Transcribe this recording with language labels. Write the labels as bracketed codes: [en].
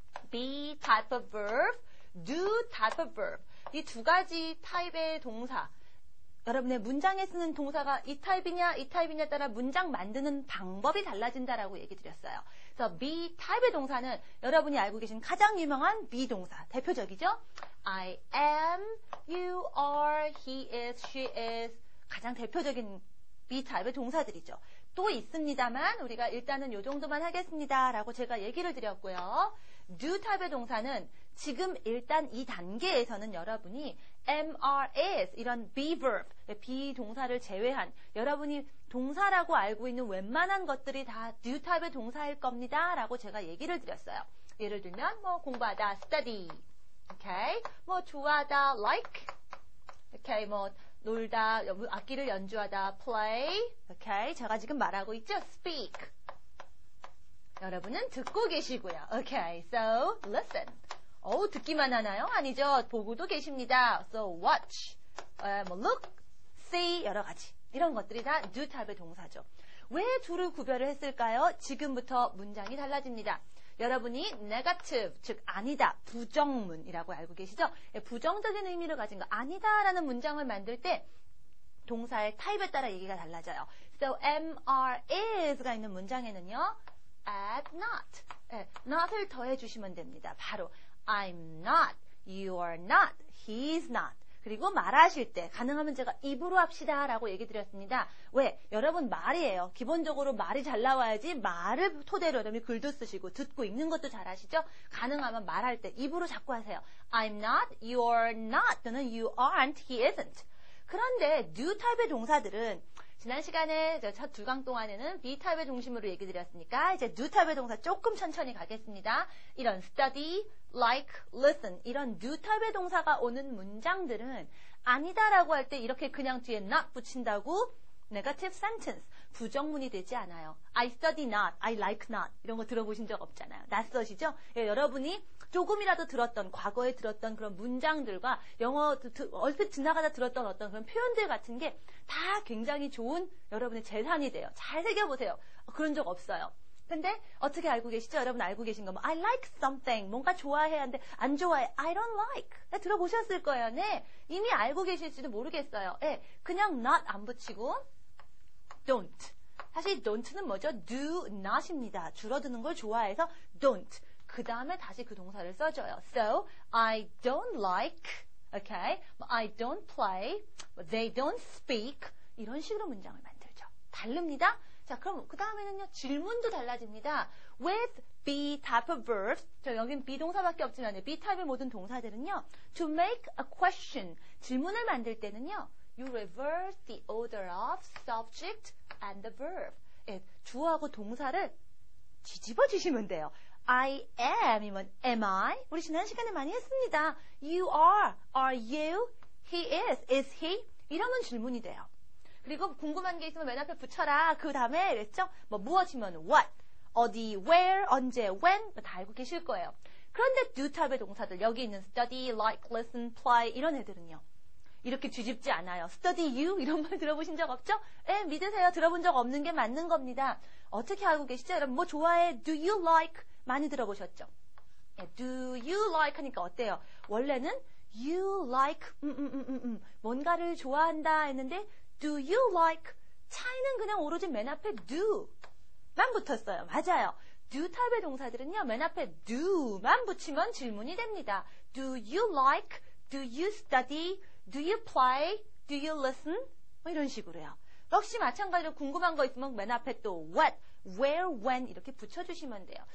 [en] be type of verb, do type of verb. [ko] 이 두 가지 타입의 동사, 여러분의 문장에 쓰는 동사가 이 타입이냐 이 타입이냐에 따라 문장 만드는 방법이 달라진다라고 얘기 드렸어요. 그래서 be 타입의 동사는 여러분이 알고 계신 가장 유명한 be 동사, 대표적이죠. [en] I am, you are, he is, she is, [ko] 가장 대표적인 be 타입의 동사들이죠. 또 있습니다만 우리가 일단은 요 정도만 하겠습니다 라고 제가 얘기를 드렸고요. do 타입의 동사는 지금 일단 이 단계에서는 여러분이 am, are, is 이런 be verb, be 동사를 제외한 여러분이 동사라고 알고 있는 웬만한 것들이 다 do 타입의 동사일 겁니다 라고 제가 얘기를 드렸어요. 예를 들면 뭐 공부하다 study, okay. 뭐 좋아하다 like, okay. 뭐 놀다, 악기를 연주하다 play, okay. 제가 지금 말하고 있죠, speak. 여러분은 듣고 계시고요. [en] Okay, so listen. [ko] 어우, 듣기만 하나요? 아니죠. 보고도 계십니다. [en] So watch, look, see, [ko] 여러 가지. 이런 것들이 다 do 타입의 동사죠. 왜 둘을 구별을 했을까요? 지금부터 문장이 달라집니다. 여러분이 negative, 즉 아니다, 부정문이라고 알고 계시죠? 부정적인 의미를 가진 거, 아니다 라는 문장을 만들 때 동사의 타입에 따라 얘기가 달라져요. So am, are, is가 있는 문장에는요, at not, not을 더해주시면 됩니다. [en] 바로 I'm not, you are not, he's not. [ko] 그리고 말하실 때 가능하면 제가 입으로 합시다 라고 얘기 드렸습니다. 왜? 여러분 말이에요. 기본적으로 말이 잘 나와야지 말을 토대로 여러분이 글도 쓰시고 듣고 읽는 것도 잘 하시죠? 가능하면 말할 때 입으로 자꾸 하세요. [en] I'm not, you're not, 또는 you aren't, he isn't. [ko] 그런데 do 타입의 동사들은 지난 시간에 첫 두 강 동안에는 be 타입의 중심으로 얘기 드렸으니까 이제 do 타입의 동사 조금 천천히 가겠습니다. 이런 study, like, listen 이런 do 타입의 동사가 오는 문장들은 아니다 라고 할 때 이렇게 그냥 뒤에 not 붙인다고 negative sentence, 부정문이 되지 않아요. [en] I study not, I like not [ko] 이런 거 들어보신 적 없잖아요. 낯서시죠? 예, 여러분이 조금이라도 들었던, 과거에 들었던 그런 문장들과 영어 얼핏 지나가다 들었던 어떤 그런 표현들 같은 게 다 굉장히 좋은 여러분의 재산이 돼요. 잘 새겨보세요. 그런 적 없어요. 근데 어떻게 알고 계시죠? 여러분 알고 계신 거 뭐 [en] I like something, [ko] 뭔가 좋아해야 하는데 안 좋아해, [en] I don't like, [ko] 네, 들어보셨을 거예요. 네, 이미 알고 계실지도 모르겠어요. 네, 그냥 not 안 붙이고 don't, 사실 don't는 뭐죠? do not입니다. 줄어드는 걸 좋아해서 don't, 그 다음에 다시 그 동사를 써줘요. [en] So I don't like, okay, I don't play, they don't speak, [ko] 이런 식으로 문장을 만들죠. 다릅니다. 자, 그럼 그 다음에는요, 질문도 달라집니다. [en] With be type of verbs, [ko] 저 여긴 be 동사밖에 없지만 [en] be type의 모든 동사들은요, to make a question, [ko] 질문을 만들 때는요, [en] you reverse the order of subject and the verb. [ko] 예, 주어하고 동사를 뒤집어 주시면 돼요. [en] I am, 이면 am I? [ko] 우리 지난 시간에 많이 했습니다. [en] You are you? He is he? [ko] 이러면 질문이 돼요. 그리고 궁금한 게 있으면 맨 앞에 붙여라. 그 다음에 그랬죠? 뭐 무엇이면 what? 어디, where, 언제, when 다 알고 계실 거예요. 그런데 do type의 동사들, 여기 있는 study, like, listen, play 이런 애들은요. 이렇게 뒤집지 않아요. study you 이런 말 들어보신 적 없죠? 예, 믿으세요. 들어본 적 없는 게 맞는 겁니다. 어떻게 알고 계시죠? 여러분 뭐 좋아해? [en] do you like? [ko] 많이 들어보셨죠? 예, [en] do you like [ko] 하니까 어때요? 원래는 [en] you like [ko] 뭔가를 좋아한다 했는데 [en] do you like? [ko] 차이는 그냥 오로지 맨 앞에 do만 붙었어요. 맞아요. do 타입의 동사들은요. 맨 앞에 do만 붙이면 질문이 됩니다. [en] do you like? do you study? do you play? do you listen? [ko] 뭐 이런 식으로요. 역시 마찬가지로 궁금한 거 있으면 맨 앞에 또 what, where, when 이렇게 붙여주시면 돼요.